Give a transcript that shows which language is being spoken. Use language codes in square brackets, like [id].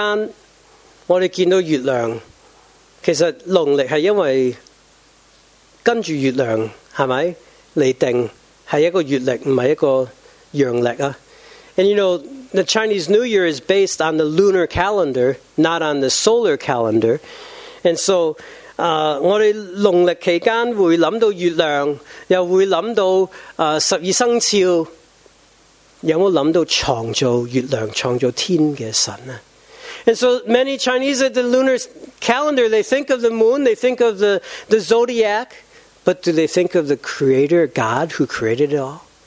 [zh] 農曆新年期間,我們看到月亮, 其實農曆是因為根據月亮, 是不是? 來定,是一個月曆,不是一個陽曆。 [en] And you know, the Chinese New Year is based on the lunar calendar, not on the solar calendar. And so, [zh] 我们农历期间会想到月亮,又会想到十二生肖,有没有想到创造月亮,创造天的神呢? [en] And so many Chinese at the lunar calendar, they think of the moon, they think of the zodiac, but do they think of the creator, God, who created it all?